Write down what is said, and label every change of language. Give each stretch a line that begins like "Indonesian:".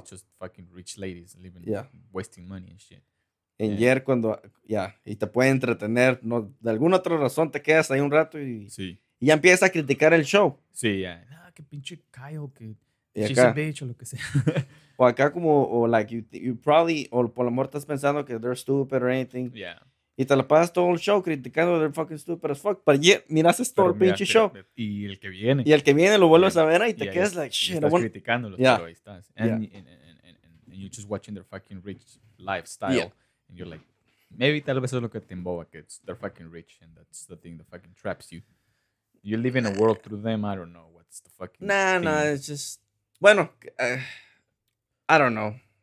English: It's just fucking rich ladies living, wasting money and shit.
Spanish: Y te puede entretener. No, de alguna otra razón te quedas ahí un rato y... Sí. Y ya empiezas a criticar el show. Sí, ya. Yeah. Que pinche Kyle, que she's acá,
English: a bitch
Spanish: o lo que sea. O acá como, o
English: like, you probably,
Spanish: o por lo menos estás pensando que
English: they're stupid or anything. Yeah.
Spanish: Y te la pasas todo el show criticando
English: they're fucking stupid as fuck. But yeah,
Spanish: miras todo pero el pinche show. Y el que viene lo vuelves a ver y te quedas
English: like, shit.
Spanish: Estás criticándolo, pero ahí estás.
English: And you're just watching their fucking rich lifestyle. Yeah. And you're like, maybe
Spanish: tal vez es lo que te emboba, que
English: it's, they're fucking rich and that's the thing that fucking traps you. You live in a world through them, I don't know. The fucking it's just bueno I don't know